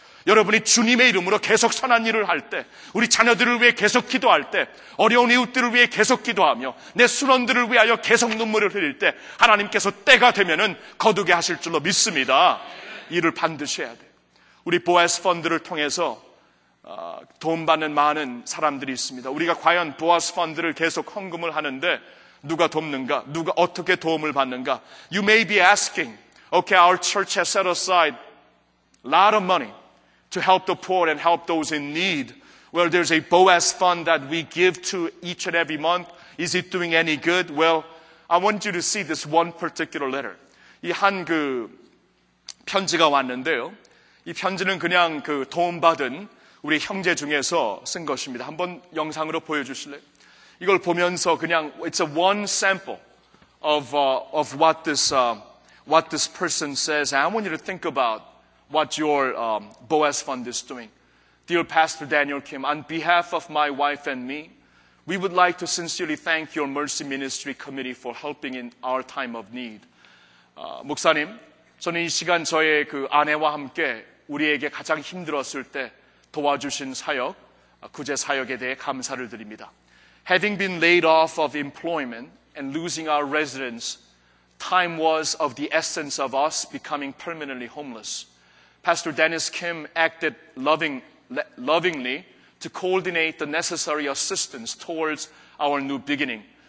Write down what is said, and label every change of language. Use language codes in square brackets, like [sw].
[ko] 여러분이 주님의 이름으로 계속 선한 일을 할 때, 우리 자녀들을 위해 계속 기도할 때, 어려운 이웃들을 위해 계속 기도하며 내 순원들을 위하여 계속 눈물을 흘릴 때 하나님께서 때가 되면은 거두게 하실 줄로 믿습니다. 일을 반드시 해야 돼. 우리 보아스 펀드를 통해서 도움받는 많은 사람들이 있습니다. 우리가 과연 보아스 펀드를 계속 헌금을 하는데 누가 돕는가? 누가 어떻게 도움을 받는가? [en] You may be asking, okay, our church has set aside a lot of money to help the poor and help those in need. Well, there's a Boaz fund that we give to each and every month. Is it doing any good? Well, I want you to see this one particular letter. [ko] 이 한 그 편지가 왔는데요. 이 편지는 그냥 그 도움받은 우리 형제 중에서 쓴 것입니다. 한번 영상으로 보여주실래요? 이걸 보면서 그냥 [en] it's a one sample of what this person says. I want you to think about what your Boaz Fund is doing. Dear Pastor Daniel Kim, on behalf of my wife and me, we would like to sincerely thank your Mercy Ministry Committee for helping in our time of need. [ko] 목사님, 저는 이 시간 저의 그 아내와 함께 우리에게 가장 힘들었을 때 도와주신 사역, 구제 사역에 대해 감사를 드립니다. [en] Having been laid off of employment and losing our residence, time was of the essence of us becoming permanently homeless. Pastor Dennis Kim acted lovingly to coordinate the necessary assistance towards our new beginning.